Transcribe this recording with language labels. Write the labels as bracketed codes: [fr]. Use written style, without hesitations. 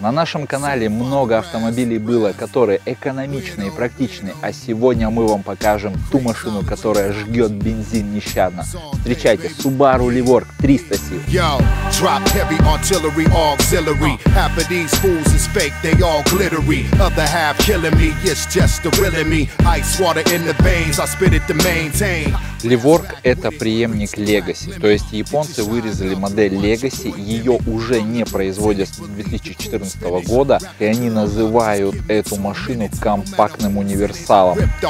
[ru] На нашем канале много автомобилей было, которые экономичны и практичны, а сегодня мы вам покажем ту машину, которая жжет бензин нещадно. Встречайте, Subaru Levorg 300 сил. [en] Yo, drop heavy artillery, auxiliary. Half of these fools is fake, they all glittery. Other half killing me, it's just the real in me. Ice water in the veins, I spit it to maintain. [ru] Levorg – это преемник Legacy, то есть японцы вырезали модель Legacy, ее уже не производят с 2014 года, и они называют эту машину компактным универсалом.